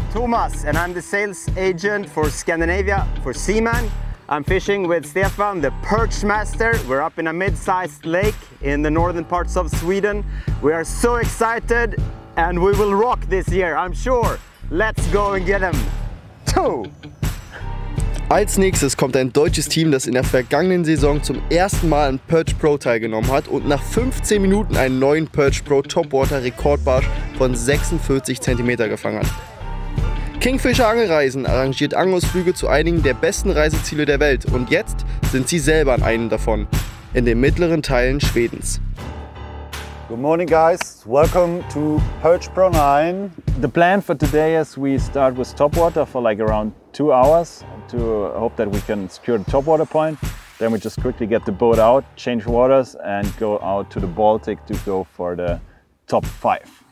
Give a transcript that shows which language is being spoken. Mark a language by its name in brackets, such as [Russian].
[English] Thomas, and I'm the sales agent for Scandinavia for Seaman. I'm fishing with Stefan, the perch master. We're up in a mid-sized lake in the northern parts of Sweden. We are so excited and we will rock this year, I'm sure. Let's go and get them. 2! [German] Als nächstes kommt ein deutsches Team, das in der vergangenen Saison zum ersten Mal an Perch Pro teilgenommen hat und nach 15 Minuten einen neuen Perch Pro Topwater Rekordbarsch von 46 cm gefangen hat. Kingfisher Angelreisen arrangiert Angelausflüge zu einigen der besten Reiseziele der Welt und jetzt sind sie selber an einem davon, in den mittleren Teilen Schwedens. [English] Good morning guys, welcome to Perch Pro 9. The plan for today is we start with topwater for like around 2 hours to hope that we can secure the topwater point. Then we just quickly get the boat out, change waters and go out to the Baltic to go for the top 5.